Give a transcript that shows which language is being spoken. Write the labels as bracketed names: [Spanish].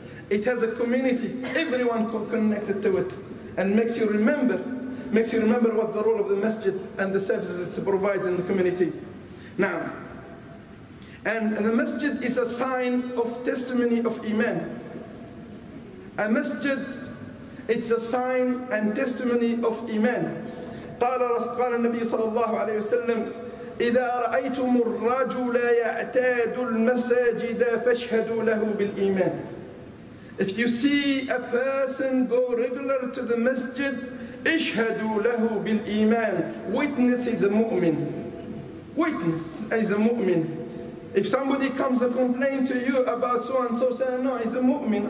[English] It has a community, everyone connected to it. And makes you remember what the role of the masjid and the services it provides in the community. Now, and the masjid is a sign of testimony of Iman. A masjid, it's a sign and testimony of Iman. [Arabic] قال النبي صلى الله عليه وسلم إذا رأيتم الرجل يعتاد المساجد فاشهدوا له بالإيمان. [English] If you see a person go regular to the masjid, [Arabic] اشهدوا له بالإيمان. [English] Witness is a mu'min. Witness is a mu'min. If somebody comes and complain to you about so and so, say, no, he's a mu'min.